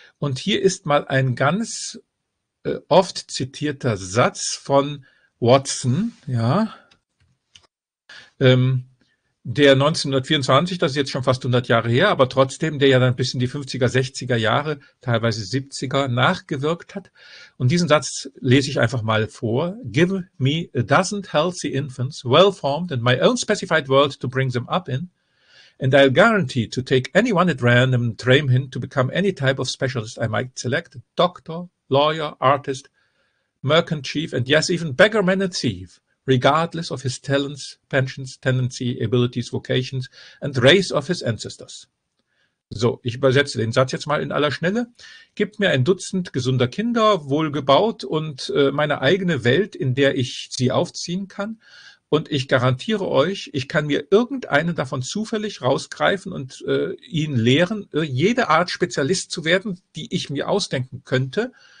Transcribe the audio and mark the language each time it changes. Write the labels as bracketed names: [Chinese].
[German] Und hier ist mal ein ganz oft zitierter Satz von Watson, ja, der 1924, das ist jetzt schon fast 100 Jahre her, aber trotzdem, der ja dann bis in die 50er, 60er Jahre, teilweise 70er, nachgewirkt hat. Und diesen Satz lese ich einfach mal vor. [English] Give me a dozen healthy infants, well-formed in my own specified world to bring them up in, and I'll guarantee to take anyone at random and train him to become any type of specialist I might select, doctor, lawyer, artist, merchant chief, and yes, even beggar man and thief. Regardless of his talents, pensions, tendency, abilities, vocations and race of his ancestors. [German] So, ich übersetze den Satz jetzt mal in aller Schnelle. Gib mir ein Dutzend gesunder Kinder, wohlgebaut und meine eigene Welt, in der ich sie aufziehen kann. Und ich garantiere euch, ich kann mir irgendeinen davon zufällig rausgreifen und ihn lehren, jede Art Spezialist zu werden, die ich mir ausdenken könnte.